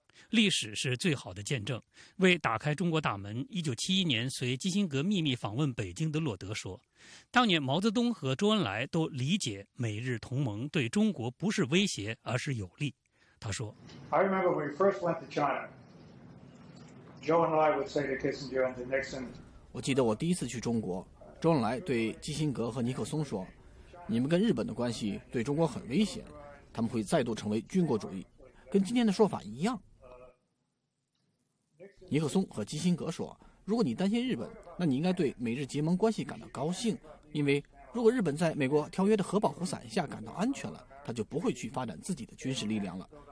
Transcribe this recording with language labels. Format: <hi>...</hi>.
<zh>历史是最好的见证。为打开中国大门，1971年随基辛格秘密访问北京的洛德说，当年毛泽东和周恩来都理解美日同盟对中国不是威胁，而是有利。他说</zh> <en>I remember when we first went to China, Joe and I would say to Kissinger and to Nixon,</en> <zh>我记得我第一次去中国，周恩来对基辛格和尼克松说，你们跟日本的关系对中国很危险，他们会再度成为军国主义，跟今天的说法一样。尼克松和基辛格说，如果你担心日本，那你应该对美日结盟关系感到高兴，因为如果日本在美国条约的核保护伞下感到安全了，他就不会去发展自己的军事力量了。</zh>